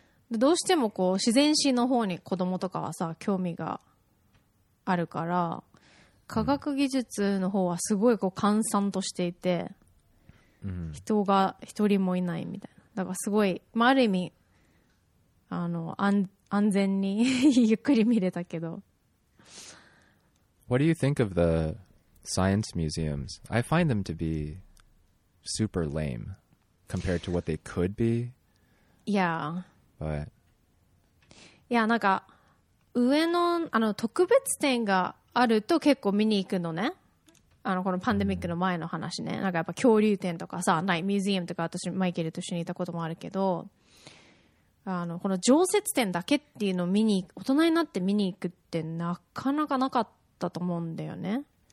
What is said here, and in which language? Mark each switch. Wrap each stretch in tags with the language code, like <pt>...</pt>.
<ja>どうしてもこう、自然史の方に子供とかはさ、興味があるから、科学技術の方はすごいこう、閑散としていて、人が一人もいないみたいな。だからすごい、まあ、ある意味、あの、安全にゆっくり見れたけど。</ja> <en>What do you think of the science museums? I find them to be super lame compared to what they could be. Yeah. But</en> <ja>いや、なんか上 の, あの特別展があると結構見に行くのね。あのこのパンデミックの前の話ね、なんかやっぱ恐竜展とかさ、ないミュージアムとか、私マイケルと一緒にいたこともあるけど、あのこの常設展だけっていうのを見に大人になって見に行くってなかなかなかったと思うんだよね、</ja>